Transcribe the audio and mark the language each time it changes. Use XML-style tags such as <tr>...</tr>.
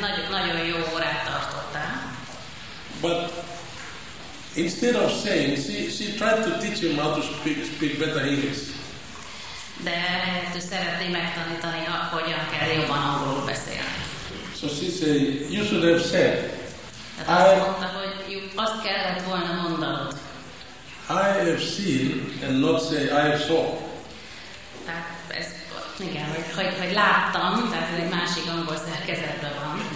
<hu>Nagyon jó órát tartottál.</hu> <en>But instead of saying, she tried to teach him how to speak better English.</en> <hu>De ő szeretné megtanítani, hogyan kell jobban angolul beszélni.</hu> <en>So she said, you should have said.</en> <hu>Azt mondta, hogy azt kellett volna mondanod.</hu> <en>I have seen and not say I have saw.</en> <hu>Tehát ez igen, hogy láttam, tehát ez egy másik angol szerkezetben van.</hu>